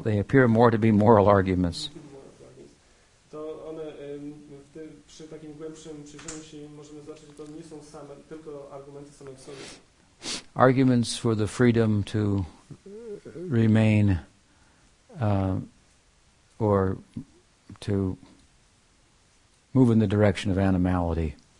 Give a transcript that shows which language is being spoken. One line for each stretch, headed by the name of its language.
English: They appear more to be moral arguments.
Polish: To one przy takim głębszym przyjrzeniu się możemy zobaczyć, że to nie są same, tylko argumenty same w sobie.
English: Arguments for the freedom to remain or to move in the direction of animality.